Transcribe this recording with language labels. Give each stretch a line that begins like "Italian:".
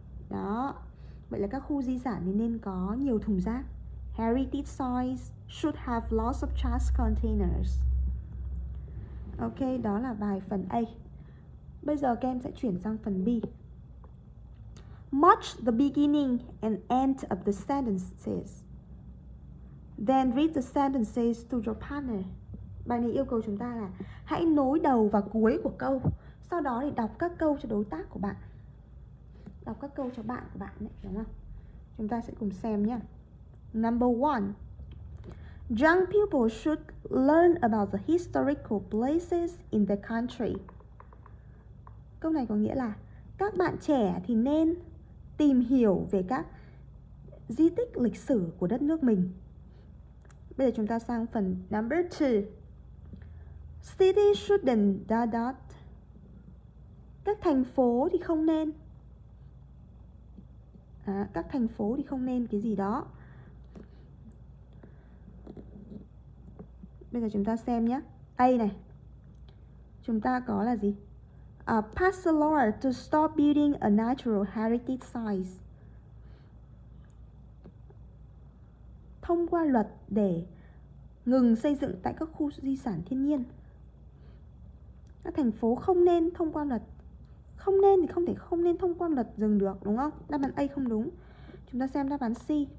Vietnamese: Đó, vậy là các khu di sản thì nên có nhiều thùng rác.
English: Heritage sites should have lots of trash containers.
Vietnamese: Ok, đó là bài phần A. Bây giờ các em sẽ chuyển sang phần B.
English: Match the beginning and end of the sentences. Then read the sentences to your partner.
Vietnamese: Bài này yêu cầu chúng ta là hãy nối đầu và cuối của câu, sau đó thì đọc các câu cho đối tác của bạn. Đọc các câu cho bạn của bạn ấy, đúng không? Chúng ta sẽ cùng xem nhé.
English: Number one, young people should learn about the historical places in the country.
Vietnamese: Câu này có nghĩa là các bạn trẻ thì nên tìm hiểu về các di tích lịch sử của đất nước mình. Bây giờ chúng ta sang phần number two.
English: City shouldn't da da.
Vietnamese: Các thành phố thì không nên. À, các thành phố thì không nên cái gì đó. Bây giờ chúng ta xem nhé. A này. Chúng ta có là gì?
English: Pass the law to stop building a natural heritage site.
Vietnamese: Thông qua luật để ngừng xây dựng tại các khu di sản thiên nhiên. Các thành phố không nên thông qua luật. Không nên thì không thể không nên thông qua luật dừng được, đúng không? Đáp án A không đúng. Chúng ta xem đáp án C.